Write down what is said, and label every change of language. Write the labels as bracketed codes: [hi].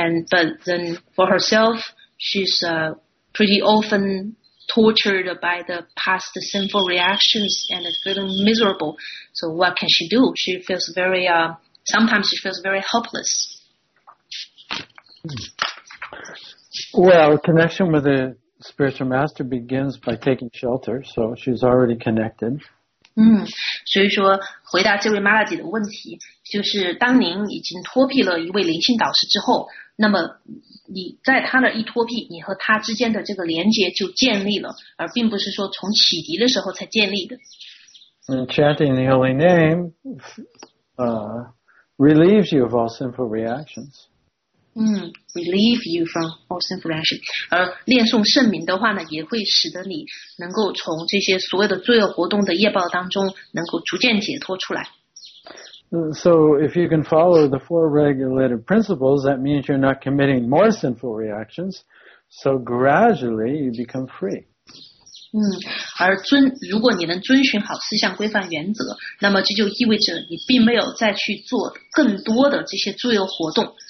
[en] But then for herself, she's pretty often tortured by the past sinful reactions and feeling miserable. So what can she do? She feels very, sometimes she feels very helpless. Well, connection with the spiritual master begins by taking shelter, so she's already connected. [zh] 所以说回答这位 Mataji 的问题，就是当您已经脱壁了一位灵性导师之后，那么你在他那一脱壁，你和他之间的这个连接就建立了，而并不是说从启迪的时候才建立的。 [en] Chanting the holy name relieves you of all sinful reactions. Relieve you from all sinful action. [zh] 而念诵圣名的话呢，也会使得你能够从这些所有的罪恶活动的业报当中能够逐渐解脱出来。 [en] So if you can follow the four regulative principles, that means you're not committing more sinful reactions. So gradually you become free. [zh] 而如果你能遵循好四项规范原则，那么这就意味着你并没有再去做更多的这些罪恶活动。